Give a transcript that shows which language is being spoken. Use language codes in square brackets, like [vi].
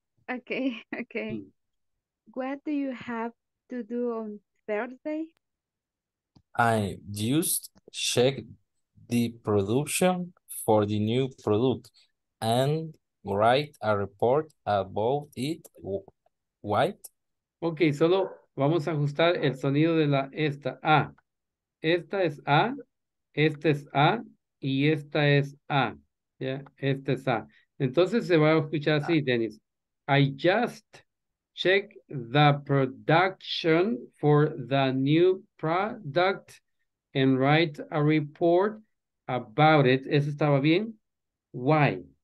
[en] Okay, okay. Hmm. What do you have to do on Thursday? I just check the production for the new product and write a report about it. White. [es] Okay, solo vamos a ajustar el sonido de la esta A. Esta es A, esta es A y esta es A. Yeah, esta es A. Entonces se va a escuchar así, Dennis. [en] I just check the production for the new product and write a report about it. [es] ¿Eso estaba bien? Why?